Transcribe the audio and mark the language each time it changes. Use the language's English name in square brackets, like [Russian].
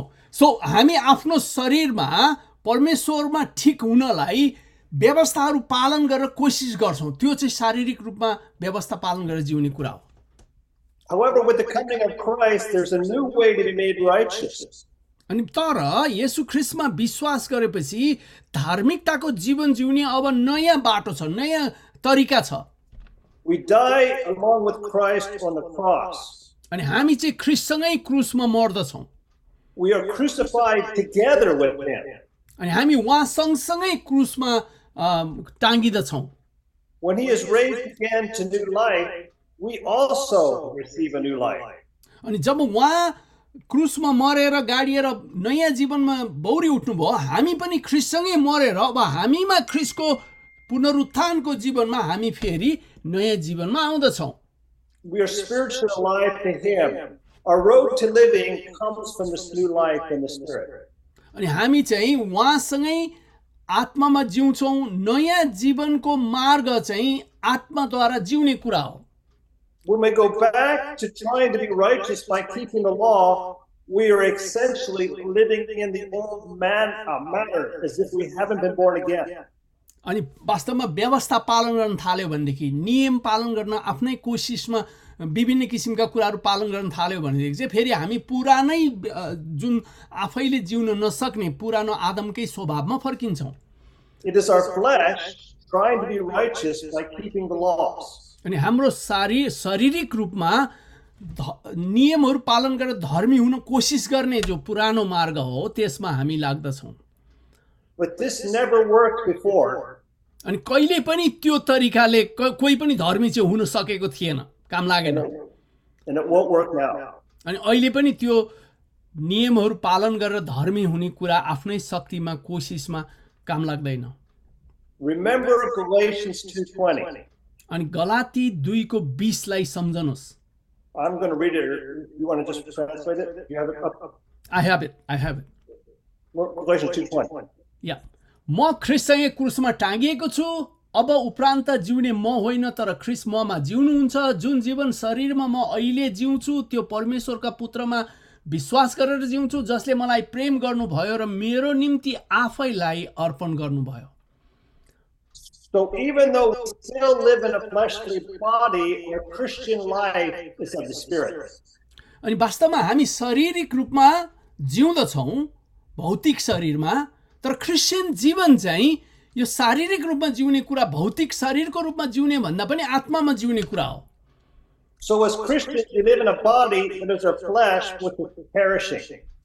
[Nepali] So हामी आफ्नो शरीरमा परमेश्वरमा ठिक हुनलाई व्यवस्थाहरू पालन गरेर कोसिस गर्छौँ, त्यो चाहिँ शारीरिक रूपमा व्यवस्था पालन गरेर जिउने कुरा हो। [English] However, with the coming of Christ, there's a new way to be made righteous. [Nepali] अनि तर येशू ख्रीष्टमा विश्वास गरेपछि धार्मिकताको जीवन जिउने अब नयाँ बाटो छ, नयाँ तरिका छ। [English] We die along with Christ on the cross. [Nepali] अनि हामी चाहिँ ख्रीष्टसँगै क्रुसमा मर्दछौँ। [English] We are crucified together with him. [Nepali] अनि हामी उहाँ सँगसँगै क्रुसमा टाङ्गिदछौँ। [English] When he is raised again to new life, we also receive a new life. [Nepali] अनि जब उहाँ क्रुसमा मरेर गाडिएर नयाँ जीवनमा बौरी उठ्नुभयो, हामी पनि ख्रीष्टसँगै मरेर अब हामीमा ख्रीष्टको पुनरुत्थानको जीवनमा हामी फेरि नयाँ जीवनमा आउँदछौँ। [English] We are spiritually alive to him. Our road to living comes from this new life in the spirit. [Nepali] अनि हामी चाहिँ उहाँसँगै आत्मामा जिउँछौँ, नयाँ जीवनको मार्ग चाहिँ आत्माद्वारा जिउने कुरा हो। [English] We may go back to trying to be righteous by keeping the law. We are essentially living in the old man manner as if we haven't been born again. [Nepali] अनि वास्तवमा व्यवस्था पालन गर्न थाल्यो भनेदेखि, नियम पालन गर्न आफ्नै कोसिसमा विभिन्न किसिमका कुराहरू पालन गर्न थाल्यो भनेदेखि चाहिँ फेरि हामी पुरानै, जुन आफैले जिउन नसक्ने पुरानो आदमकै स्वभावमा फर्किन्छौँ। [English] It is our flesh trying to be righteous by keeping the laws. [Nepali] अनि हाम्रो शारीरिक रूपमा नियमहरू पालन गरेर धर्मी हुन कोसिस गर्ने जो पुरानो मार्ग हो त्यसमा हामी लाग्दछौँ। [English] But this never worked before. [Nepali] अनि कहिले पनि त्यो तरिकाले कोही पनि धर्मी चाहिँ हुन सकेको थिएन, काम लागेन। [English] And it won't work now. [Nepali] अनि अहिले पनि त्यो नियमहरू पालन गरेर धर्मी हुने कुरा आफ्नै शक्तिमा कोसिसमा काम लाग्दैन। [English] Remember Galatians 2:20. [Nepali] अनि गलाती 2 को 20 लाई सम्झनुस्। [English] I'm going to read it. You want to just translate it? You have it up? I have it. Galatians 2:20. Yeah. [Nepali] म ख्रिस्टसँग क्रुसमा टाँगिएको छु, अब उपरान्त जिउने म होइन तर ख्रिस्ट ममा जिउनुहुन्छ। जुन जीवन शरीरमा म अहिले जिउँछु त्यो परमेश्वरका पुत्रमा विश्वास गरेर जिउँछु जसले मलाई प्रेम गर्नुभयो र मेरो निम्ति आफैलाई अर्पण गर्नुभयो। [English] So even though we still live in a fleshly body, our Christian life is of the spirit. [Nepali] अनि वास्तवमा हामी शारीरिक रूपमा जिउँदछौँ भौतिक शरीरमा, तर क्रिस्चियन जीवन चाहिँ यो शारीरिक रूपमा जिउने कुरा, भौतिक शरीरको रूपमा जिउने भन्दा पनि आत्मामा जिउने कुरा हो। [English] So as Christians, we live in a body that is our flesh, which is perishing.